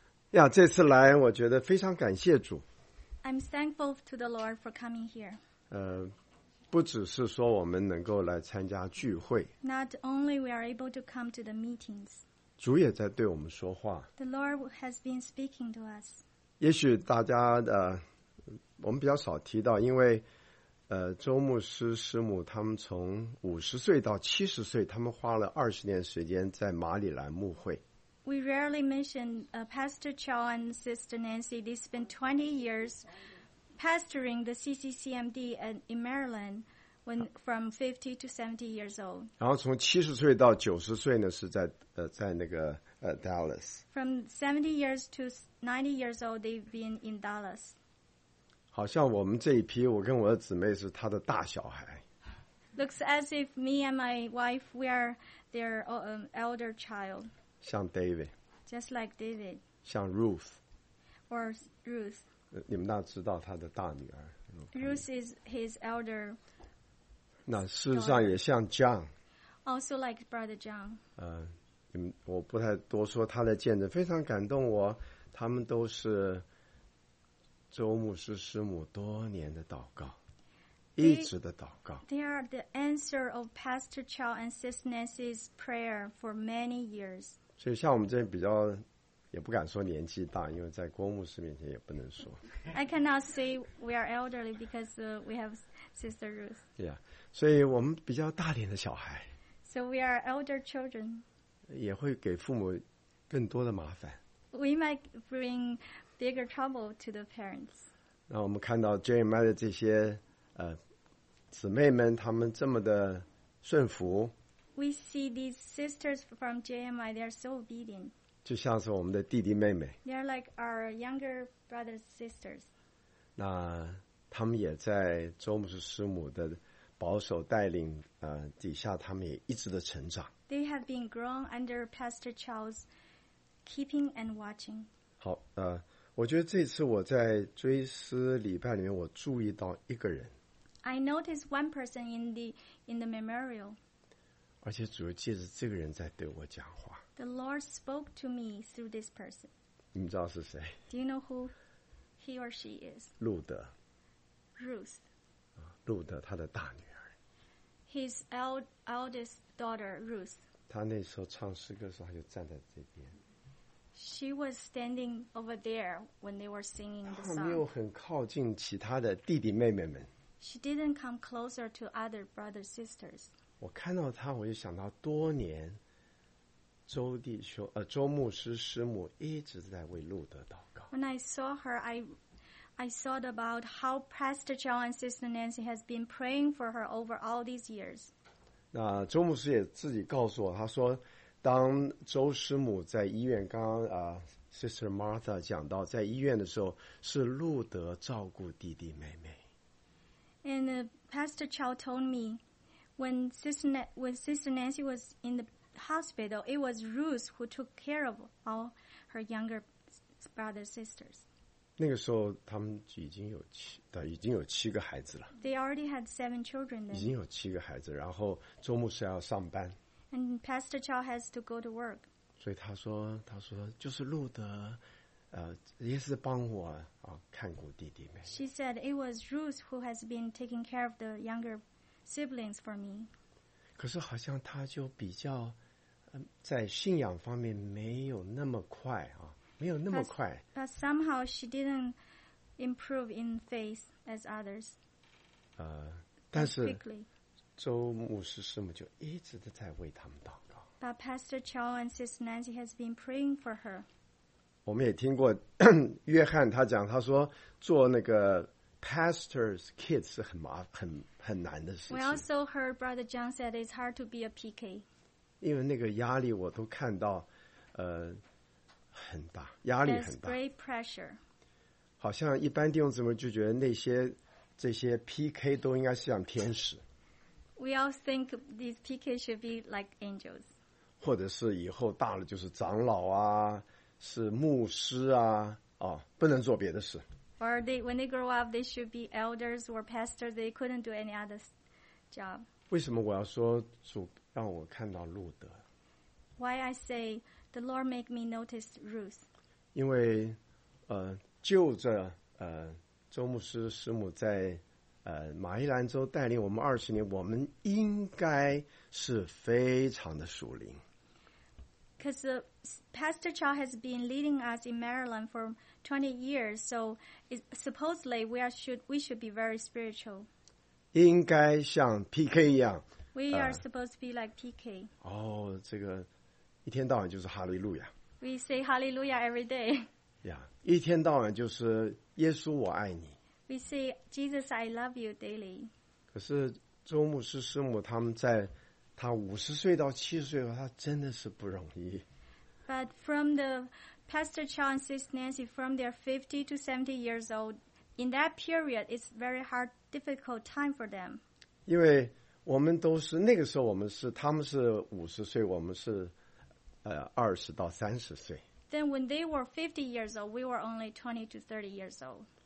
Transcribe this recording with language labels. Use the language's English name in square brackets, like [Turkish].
[Chinese] 呀，这次来我觉得非常感谢主。 [English] I'm thankful to the Lord for coming here. [Chinese] 不只是说我们能够来参加聚会。 [English] Not only we are able to come to the meetings. [Chinese] 主也在对我们说话。 [English] The Lord has been speaking to us. [Chinese] 也许大家的，我们比较少提到，因为周牧师师母他们从50岁到70岁，他们花了20年时间在马里兰牧会。 [English] We rarely mention Pastor Chow and Sister Nancy. They spent 20 years pastoring the CCCMD in Maryland when from 50 to 70 years old. [Chinese] 然后从70岁到90岁呢，是在那个 [English] Dallas. From 70 years to 90 years old, they've been in Dallas. [Chinese] 好像我们这一批，我跟我的姊妹是他的大小孩。 [English] Looks as if me and my wife we are their elder child. [Chinese] 像 David. [English] Just like David. [Chinese] 像 Ruth. [English] Or Ruth. [Chinese] 你们那知道他的大女儿。 [English] Ruth is his elder. [Chinese] 那事实上也像 John. [English] Also like brother John. [Chinese] 我不太多说他的见证，非常感动我。他们都是周牧师师母多年的祷告，一直的祷告。 [English] They are the answer of Pastor Chow and Sis Nancy's prayer for many years. [Chinese] 所以像我们这边比较，也不敢说年纪大，因为在郭牧师面前也不能说。 [English] I cannot say we are elderly because we have Sister Ruth. [Chinese] Yeah, 所以我们比较大点的小孩。 [English] So we are elder children. [Chinese] 也会给父母更多的麻烦。 [English] We might bring bigger trouble to the parents. [Chinese] 那我们看到 Jane and Mary 这些姊妹们，她们这么的顺服。 [English] We see these sisters from JMI, they are so obedient. [Chinese] 就像是我们的弟弟妹妹。 [English] They are like our younger brothers and sisters. [Chinese] 那他们也在周牧师师母的保守带领底下，他们也一直的成长。 [English] They have been grown under Pastor Chow's keeping and watching. [Chinese] 好，我觉得这次我在追思礼拜里面，我注意到一个人。 [English] I noticed one person in the memorial. [Chinese] 而且主要借着这个人在对我讲话。 [English] The Lord spoke to me through this person. [Chinese] 你知道是谁 [English] ？Do you know who he or she is? [Chinese] 路德。 [English] Ruth. [Chinese] 路德，他的大女儿。 [English] His eldest. Daughter Ruth. [Chinese] 她那时候唱诗歌的时候，她就站在这边。 [English] She was standing over there when they were singing the song. [Chinese] 她没有很靠近其他的弟弟妹妹们。 [English] She didn't come closer to other brothers sisters. [Chinese] 我看到她，我就想到多年周牧师师母一直在为路德祷告。 [English] When I saw her, I thought about how Pastor John and Sister Nancy has been praying for her over all these years. [Chinese] 那周牧师也自己告诉我，他说，当周师母在医院，刚刚Sister Martha 讲到在医院的时候，是路德照顾弟弟妹妹。 [English] And Pastor Chow told me, when Sister Nancy was in the hospital, it was Ruth who took care of all her younger brothers sisters. [Chinese] 那个时候，他们已经有七个孩子了。 [English] They already had seven children then. [Chinese] 已经有七个孩子，然后周牧师要上班。 [English] And Pastor Chow has to go to work. [Chinese] 所以他说就是路德，也是帮我看顾弟弟妹。 [English] She said it was Ruth who has been taking care of the younger siblings for me. [Chinese] 可是好像他就比较，在信仰方面没有那么快啊，没有那么快。 [English] But somehow she didn't. Improve in faith as others. [Chinese] 但是周牧师师母就一直的在为他们祷告。 [English] But Pastor Chow and Sister Nancy has been praying for her. [Chinese] 我们也听过约翰他讲，他说做那个 [English] pastor's kid [Chinese] 是很难的事情。 [English] We also heard Brother John said it's hard to be a PK. [Chinese] 因为那个压力我都看到，很大，压力很大。 [English] There's great pressure. [Chinese] 好像一般弟兄姊妹就觉得那些这些 PK 都应该是像天使。 [English] We all think these PK should be like angels. [Chinese] 或者是以后大了就是长老啊，是牧师啊，不能做别的事。 [English] Or they when they grow up, they should be elders or pastors. They couldn't do any other job. [Chinese] 为什么我要说主让我看到路德 [English] ？Why I say the Lord make me notice Ruth? [Chinese] 因为，就着周牧师师母在马伊兰州带领我们二十年，我们应该是非常的属灵。 [English] Because Pastor Chow has been leading us in Maryland for 20 years, so supposedly we should be very spiritual. [Chinese] 应该像 PK 一样。 [English] We are supposed to be like PK. [Chinese] 这个一天到晚就是哈利路亚。 [English] We say Hallelujah every day. Yeah. [Chinese] 一天到晚就是耶稣我爱你。 [English] We say Jesus I love you daily. [Chinese] 可是周牧师师母他们在他五十岁到七十岁后，他真的是不容易。 [English] But from the Pastor Chow and Sister Nancy, from their 50 to 70 years old, in that period, it's very hard, difficult time for them. [Chinese] 因为我们都是那个时候，我们是他们是五十岁，我们是二十到三十岁。 [English] Then when they were 50 years old, we were only 20 to 30 years old.